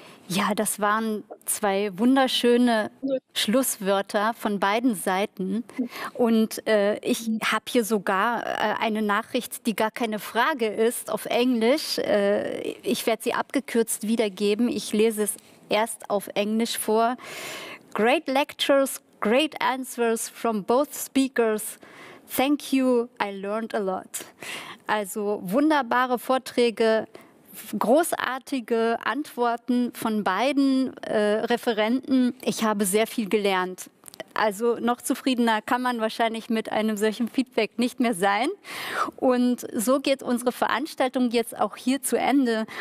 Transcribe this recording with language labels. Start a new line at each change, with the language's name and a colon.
German: Ja, das waren zwei wunderschöne Schlusswörter von beiden Seiten. Und ich habe hier sogar eine Nachricht, die gar keine Frage ist, auf Englisch. Ich werde sie abgekürzt wiedergeben. Ich lese es erst auf Englisch vor.
English: Great lectures, great answers from both speakers. Thank you, I learned a lot.
German: Also wunderbare Vorträge, großartige Antworten von beiden Referenten. Ich habe sehr viel gelernt. Also noch zufriedener kann man wahrscheinlich mit einem solchen Feedback nicht mehr sein. Und so geht unsere Veranstaltung jetzt auch hier zu Ende.